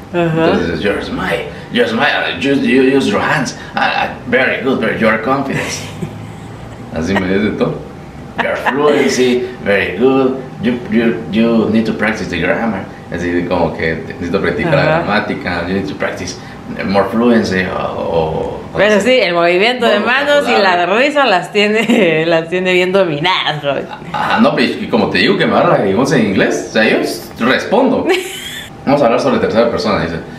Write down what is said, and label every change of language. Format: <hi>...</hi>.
<es>Entonces dices,</es> <en>you're smile, just use your hands. Very good, very your confidence.</en> <es>Así me dice todo.</es> <en>You're fluency, very good. You need to practice the grammar.</en> <es>Así como que necesito practicar la gramática.</es> <en>You need to practice more fluency.</en> <es>Pero sí, el movimiento de manos y la risa las tiene bien dominadas. Ajá, no, pero y como te digo que me habla en inglés, o sea, yo respondo. Vamos a hablar sobre tercera persona, dice.</es>